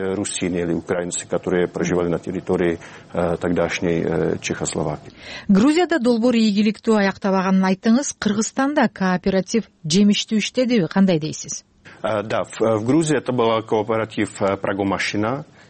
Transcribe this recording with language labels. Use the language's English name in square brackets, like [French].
[Russian] Русины или украинцы, которые проживали на территории тогдашней Чехословакии. [Kyrgyz] Грузияда долбоор ийгиликтүү аяктабаганын айттыңыз, Кыргызстанда кооператив жемиштүү иштедиби? Кандай дейсиз? [Russian] Да, в Грузии это был кооператив «Прагомашина».